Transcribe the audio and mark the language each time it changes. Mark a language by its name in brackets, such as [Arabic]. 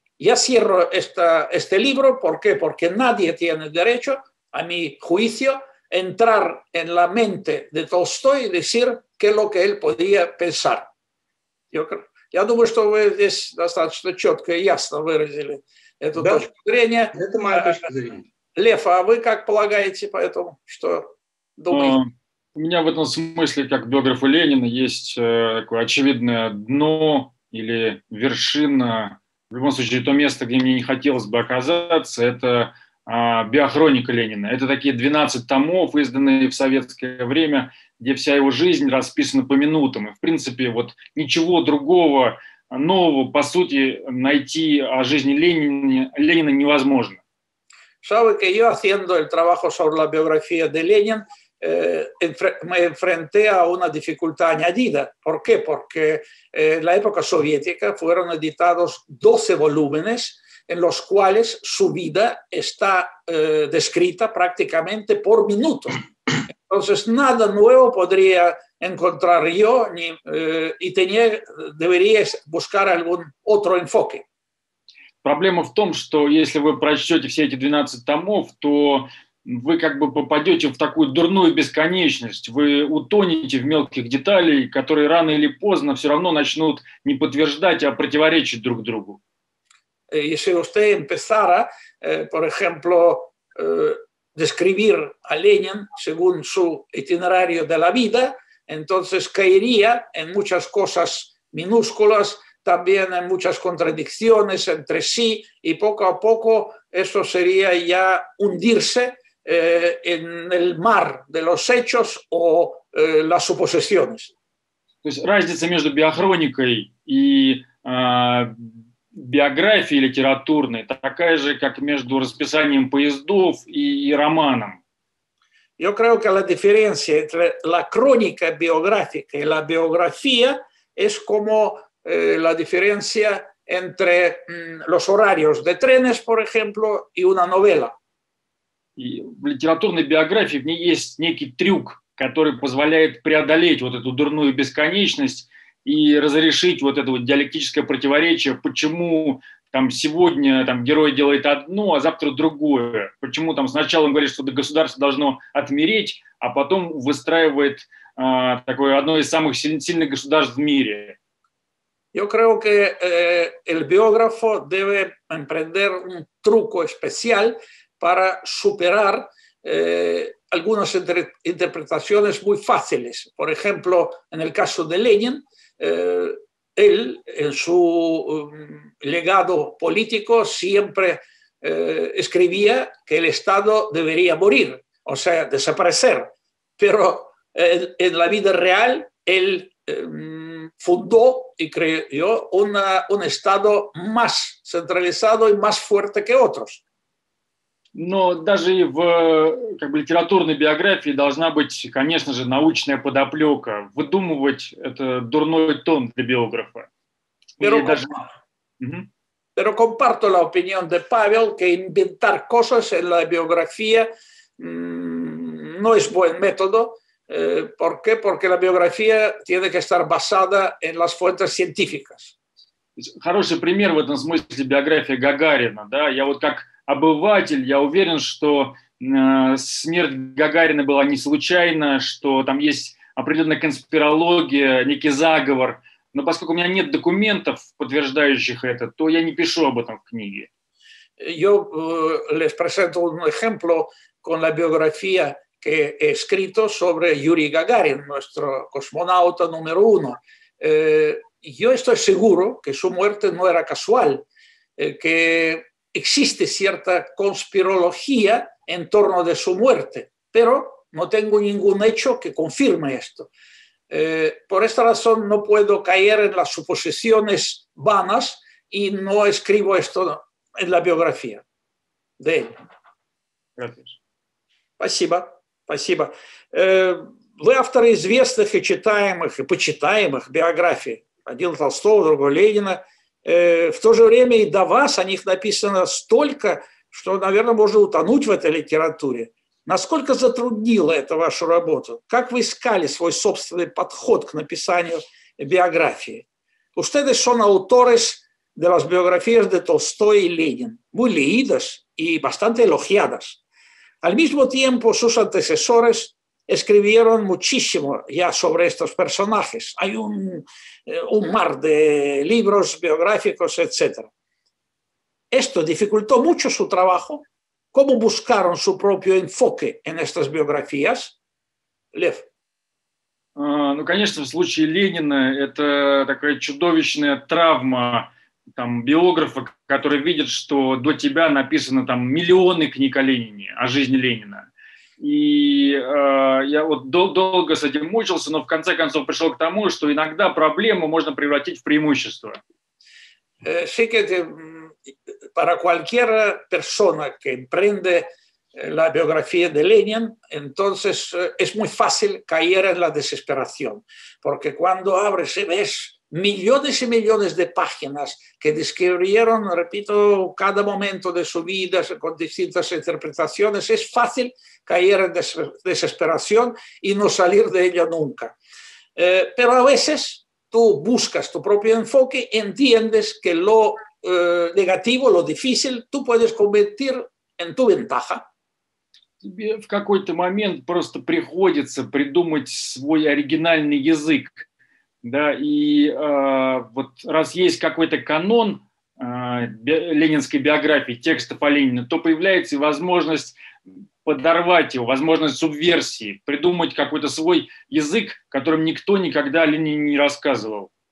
[Spanish] Ya cierro este libro, ¿por qué? Porque nadie tiene derecho, a mi juicio, entrar en la mente de Толстой y decir qué es lo que él podía pensar. [Russian] Я думаю, что вы здесь достаточно четко и ясно выразили эту точку зрения. Это моя точка зрения. Лев, а вы как полагаете по этому, что думаете? У меня в этом смысле, как биографа Ленина, есть такое очевидное дно или вершина. В любом случае, то место, где мне не хотелось бы оказаться, это биохроника Ленина. Это такие 12 томов, изданные в советское время, где вся его жизнь расписана по минутам. И, в принципе, вот ничего другого нового, по сути, найти о жизни Ленина невозможно. [Spanish] Sabe que yo haciendo el trabajo sobre la biografía de Lenin, me enfrenté a una dificultad añadida. ¿Por qué? Porque en la época soviética fueron editados 12 volúmenes en los cuales su vida está descrita prácticamente por minuto. Entonces, nada nuevo podría encontrar yo ni, y tenía, debería buscar algún otro enfoque. [Russian] Проблема в том, что если вы прочтете все эти 12 томов, то вы как бы попадете в такую дурную бесконечность, вы утонете в мелких деталях, которые рано или поздно все равно начнут не подтверждать, а противоречить друг другу. Если [Spanish] usted empezara, por ejemplo, describir a Lenin según su itinerario de la vida, entonces caería en muchas cosas minúsculas, también en muchas contradicciones entre sí, y poco a poco eso sería ya hundirse en el mar de los hechos o las suposiciones. [Russian] То есть разница между биохроникой и биографии литературной такая же, как между расписанием поездов и романом. [Spanish] Yo creo que la diferencia entre la crónica biográfica y la biografía es como la diferencia entre los horarios de trenes, por ejemplo, y una novela. [Russian] И в литературной биографии в ней есть некий трюк, который позволяет преодолеть вот эту дурную бесконечность и разрешить вот это вот диалектическое противоречие, почему там сегодня там герой делает одно, а завтра другое. Почему там сначала он говорит, что государство должно отмереть, а потом выстраивает такое одно из самых сильных государств в мире. [Spanish] Yo creo que el biógrafo debe emprender un truco especial para superar algunas interpretaciones muy fáciles. Por ejemplo, en el caso de Lenin, él, en su legado político, siempre escribía que el Estado debería morir, o sea, desaparecer. Pero en la vida real, él fundó y creó un Estado más centralizado y más fuerte que otros. [Russian] Но даже в как бы, литературной биографии должна быть, конечно же, научная подоплека. Выдумывать – это дурной тон для биографа. [Spanish] Pero comparto la opinión de Pavel, que inventar cosas en la biografía no es buen método. ¿Por qué? Porque la biografía tiene que estar basada en las fuentes científicas. [Russian] Хороший пример в этом смысле биография Гагарина. Да? Я вот как обыватель, я уверен, что смерть Гагарина была не случайна, что там есть определенная конспирология, некий заговор. Но поскольку у меня нет документов, подтверждающих это, то я не пишу об этом в книге. [Spanish] Yo les presento un ejemplo con la biografía que he escrito sobre Yuri Gagarin, nuestro cosmonauta número uno. Yo estoy seguro que su muerte no era casual, que existe cierta conspirología en torno de su muerte, pero no tengo ningún hecho que confirme esto. Por esta razón no puedo caer en las suposiciones vanas y no escribo esto en la biografía de él. [Russian] Спасибо. Вы авторы известных и читаемых, и почитаемых биографий. Один Толстого, другого Ленина. В то же время и до вас о них написано столько, что, наверное, можно утонуть в этой литературе. Насколько затруднило это вашу работу? Как вы искали свой собственный подход к написанию биографии? [Spanish] Ustedes son autores de las biografías de Tolstoy y Lenin. Muy leídas y bastante elogiadas. Al mismo tiempo, sus antecesores escribieron muchísimo ya sobre estos personajes. Hay un mar de libros biográficos, etc. ¿Esto dificultó mucho su trabajo? ¿Cómo buscaron su propio enfoque en estas biografías? [Russian] Лев. Ну, конечно, в случае Ленина это такая чудовищная травма там биографа, который видит, что до тебя написано там миллионы книг о Ленине, о жизни Ленина. И я вот долго с этим мучился, но в конце концов пришел к тому, что иногда проблему можно превратить в преимущество. [Spanish] Fíjate, para cualquier persona que emprende la biografía de Lenin, entonces es muy fácil caer en la desesperación, porque cuando abres y ves millones y millones de páginas que describieron, repito, cada momento de su vida con distintas interpretaciones, es fácil caer en desesperación y no salir de ella nunca. Pero a veces tú buscas tu propio enfoque, entiendes que lo negativo, lo difícil, tú puedes convertir en tu ventaja. [Russian] Тебе в какой-то момент просто приходится придумать свой оригинальный язык. Да, и вот раз есть какой-то канон ленинской биографии, текстов о Ленине, то появляется и возможность подорвать его, возможность субверсии, придумать какой-то свой язык, которым никто никогда о Ленине не рассказывал.